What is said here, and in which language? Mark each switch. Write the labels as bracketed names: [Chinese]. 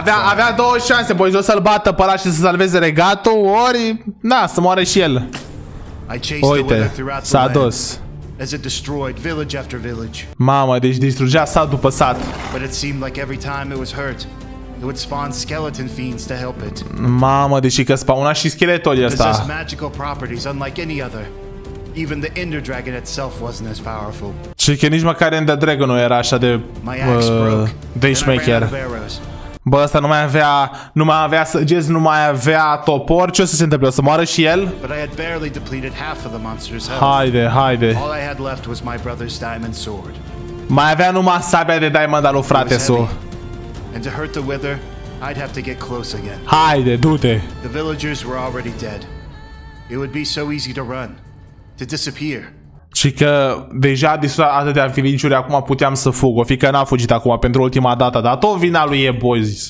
[Romanian] Avea două șanse, boys, o să-l bată pe ăla și să salveze regatul, ori, na, să moară și el. Uite, s-a dus. [English] As it destroyed village after village. [Romanian] Mamă, deci distrugea sat după sat. [English] But it seemed like every time it was hurt, it would spawn skeleton fiends to help it. [Romanian] Mamă, deci că spawna și scheletorii ăsta. [English] It has magical properties unlike any other. Even the Ender Dragon itself wasn't as powerful. [Romanian] Și că nici măcar Ender Dragon nu era așa de Dragemaker. Bă, ăsta nu mai avea săgeți, nu mai avea topor. Ce o să se întâmple? O să moară și el? [English] But I had barely depleted half of the monster's health. [Romanian] Haide, haide. [English] All I had left was my brother's diamond sword. [Romanian] Mai avea numai sabia de diamond al lui frate-su. [English] And to hurt the wither, I'd have to get close again. [Romanian] Haide, du-te. [English] The villagers were already dead. It would be so easy to run. To disappear. [Romanian] Și că deja distrugea atâtea villagiuri, acum puteam să fug. O fi că n-a fugit acum pentru ultima dată, dar tot vina lui e, boys.